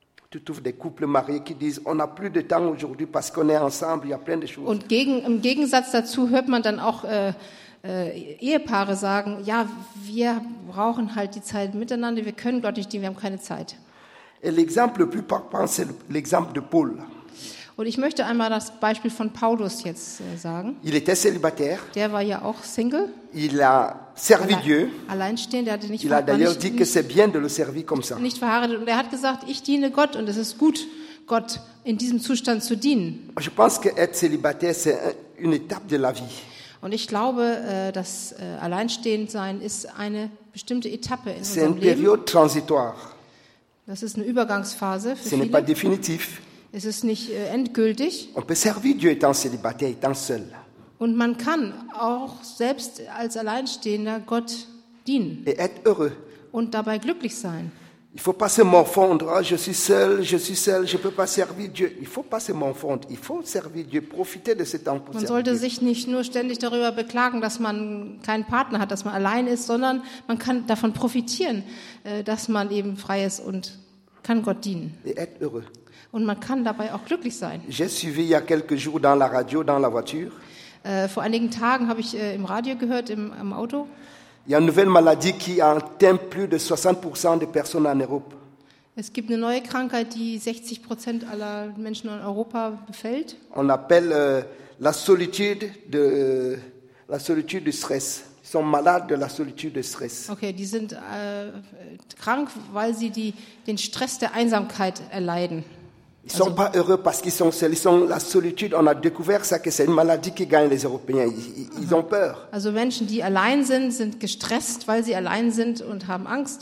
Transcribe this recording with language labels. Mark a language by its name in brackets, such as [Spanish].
[French] Tu trouves des couples mariés qui disent, on n'a plus de temps aujourd'hui parce qu'on est ensemble, il y a plein de choses. [German] Und im Gegensatz dazu hört man dann auch Ehepaare sagen, ja, wir brauchen halt die Zeit miteinander, wir können Gott nicht dienen, wir haben keine Zeit. [French] Et l'exemple le plus parlant, c'est l'exemple de Paul. [German] Und ich möchte einmal das Beispiel von Paulus jetzt sagen. [French] Il était célibataire. [German] Der war ja auch Single. [French] Il a servi Dieu. [German] Alleinstehend, der hatte nicht verheiratet. [French] Il a d'ailleurs dit que c'est bien de le servir comme ça. [German] Nicht verheiratet. Und er hat gesagt, ich diene Gott und es ist gut, Gott in diesem Zustand zu dienen. [French] Je pense que être célibataire, c'est une étape de la vie. [German] Und ich glaube, dass alleinstehend sein ist eine bestimmte Etappe in unserem Leben. [French] C'est une période transitoire. [German] Das ist eine Übergangsphase für viele. [French] Ce n'est pas définitif. [German] Es ist nicht endgültig. [French] On peut servir Dieu étant célibataire, étant seul. [German] Und man kann auch selbst als Alleinstehender Gott dienen. [French] Et être heureux. [German] Und dabei glücklich sein. [French] Il faut pas se morfondre. Oh, je suis seul, je peux pas servir Dieu. Il faut pas se morfondre. Il faut servir Dieu. Profiter de ce temps pour servir. [German] Man sollte sich nicht nur ständig darüber beklagen, dass man keinen Partner hat, dass man allein ist, sondern man kann davon profitieren, dass man eben frei ist und kann Gott dienen. [French] Et être heureux. [German] Und man kann dabei auch glücklich sein. [French] J'ai suivi il y a quelques jours dans la radio, dans la voiture. [German] Vor einigen Tagen habe ich im Radio gehört, im Auto. [French] Il y a une nouvelle maladie qui atteint plus de 60% des personnes en Europe. [German] Es gibt eine neue Krankheit, die 60% aller Menschen in Europa befällt. [French] On appelle la solitude du stress. Ils sont malades de la solitude du stress. [German] Okay, die sind krank, weil sie den Stress der Einsamkeit erleiden. [French] Ils sont pas heureux parce qu'ils sont seuls. Ils sont la solitude. On a découvert ça que c'est une maladie qui gagne les Européens. Ils ont peur. [German] Also Menschen, die allein sind, sind gestresst, weil sie allein sind und haben Angst.